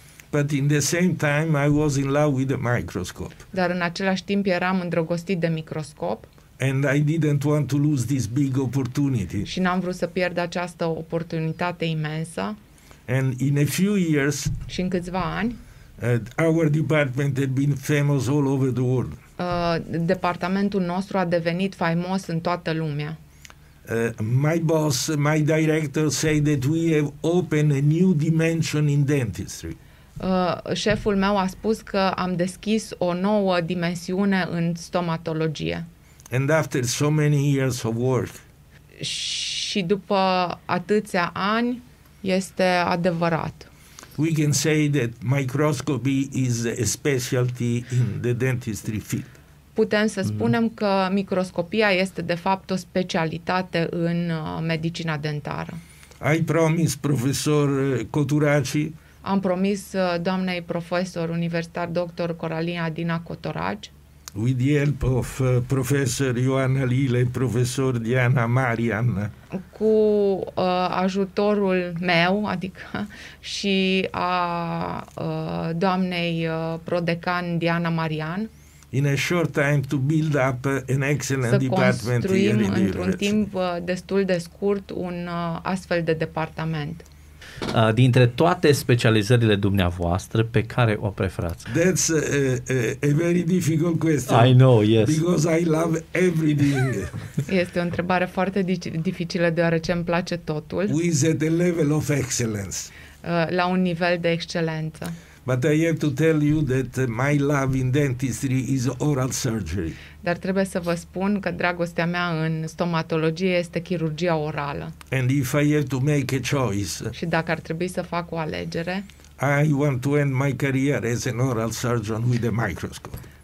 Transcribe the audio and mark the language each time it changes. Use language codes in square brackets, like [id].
[en] But in the same time I was in love with the microscope. [ro] Dar în același timp eram îndrăgostit de microscop. [en] And I didn't want to lose this big opportunity. [ro] Și n-am vrut să pierd această oportunitate imensă. [en] And in a few years. [ro] Și în câțiva ani. [en] Our department had been famous all over the world. [ro] Departamentul nostru a devenit faimos în toată lumea. [en] My boss, my director say that we have opened a new dimension in dentistry. [ro] Șeful meu a spus că am deschis o nouă dimensiune în stomatologie. [en] And after so many years of work. [ro] Și după atâția ani, este adevărat. [en] We can say that microscopy is a specialty in the dentistry field. [ro] Putem să spunem că microscopia este de fapt o specialitate în medicina dentară. [en] I promise profesor Cotoraci. [ro] Am promis doamnei profesor universitar dr. Coralina Dina Cotoraci. [en] With the help of Professor Ioana Lile, Profesor Diana Marian. [ro] Cu ajutorul meu, adică și a doamnei prodecan Diana Marian. [en] In a short time to build up an excellent department here in the university. [ro] Să construim într-un timp destul de scurt un astfel de departament. Dintre toate specializările dumneavoastră, pe care o preferați? [en] That's a very difficult question. I know, yes. Because I love everything. [ro] Este o întrebare foarte dificilă, deoarece îmi place totul. [en] With the level of excellence. [ro] La un nivel de excelență. [en] But I have to tell you that my love in dentistry is oral surgery. [ro] Dar trebuie să vă spun că dragostea mea în stomatologie este chirurgia orală. [en] And if I have to make a choice. [ro] Și dacă ar trebui să fac o alegere. [en] I want to end my career as an oral surgeon with a microscope.